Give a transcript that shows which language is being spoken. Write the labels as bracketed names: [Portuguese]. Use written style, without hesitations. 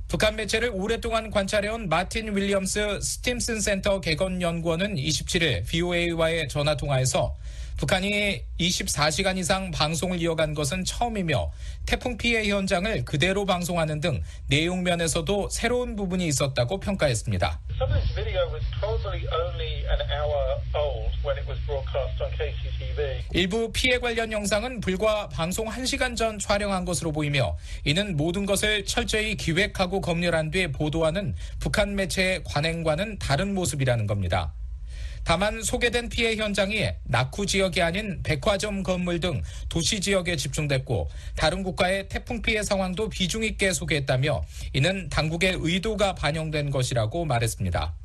[Korean] 북한 매체를 오랫동안 관찰해온 마틴 윌리엄스 스팀슨 센터 개건연구원은 27일 VOA와의 전화통화에서 북한이 24시간 이상 방송을 이어간 것은 처음이며 태풍 피해 현장을 그대로 방송하는 등 내용 면에서도 새로운 부분이 있었다고 평가했습니다. [English] Some of this video was probably only an hour old when it was broadcast on KCTV. [Korean] 일부 피해 관련 영상은 불과 방송 1시간 전 촬영한 것으로 보이며 이는 모든 것을 철저히 기획하고 검열한 뒤 보도하는 북한 매체의 관행과는 다른 모습이라는 겁니다. 다만 소개된 피해 현장이 낙후 지역이 아닌 백화점 건물 등 도시 지역에 집중됐고 다른 국가의 태풍 피해 상황도 비중 있게 소개했다며 이는 당국의 의도가 반영된 것이라고 말했습니다.